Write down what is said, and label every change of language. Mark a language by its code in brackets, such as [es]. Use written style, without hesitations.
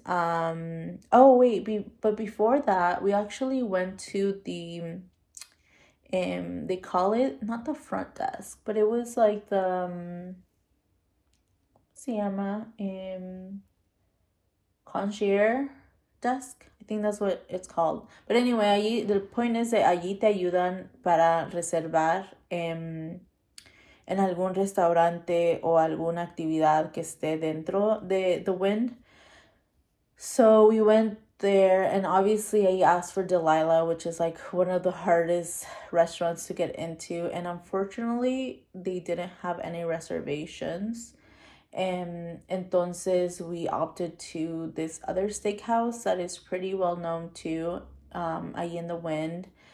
[en] Oh wait, but before that, we actually went to the they call it not the front desk, but it was like the CMA concierge desk. I think that's what it's called. But anyway, [es] allí, [en] the point is that [es] allí te ayudan para reservar en algún restaurante o alguna actividad que esté dentro de the Wynn. [en] So we went there, and obviously I asked for Delilah, which is like one of the hardest restaurants to get into, and unfortunately they didn't have any reservations. [es] Entonces [en] we opted to this other steakhouse that is pretty well known too, [es] allí [en] in the Wynn.